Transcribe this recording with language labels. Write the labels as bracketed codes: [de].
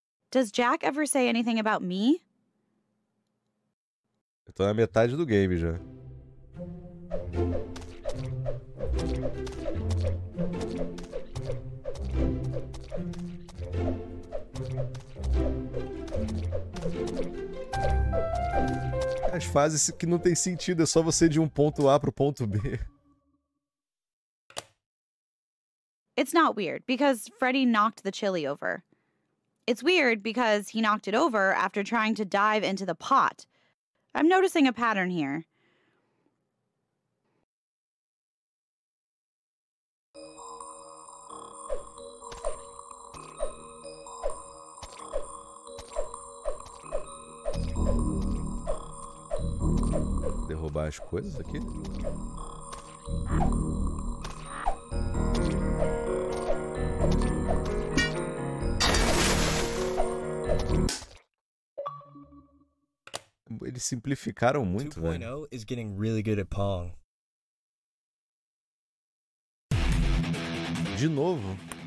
[en] Does Jack ever say anything about me? [pt] Eu tô na metade do game já. As fases que não tem sentido, é só você ir de um ponto A pro ponto B. [en] It's not weird because Freddy knocked the chili over. It's weird because he knocked it over after trying to dive into the pot. I'm noticing a pattern here. [pt] Derrubar as coisas aqui. Eles simplificaram muito, velho. [en] 2.0 is getting really good at Pong. [pt] De novo.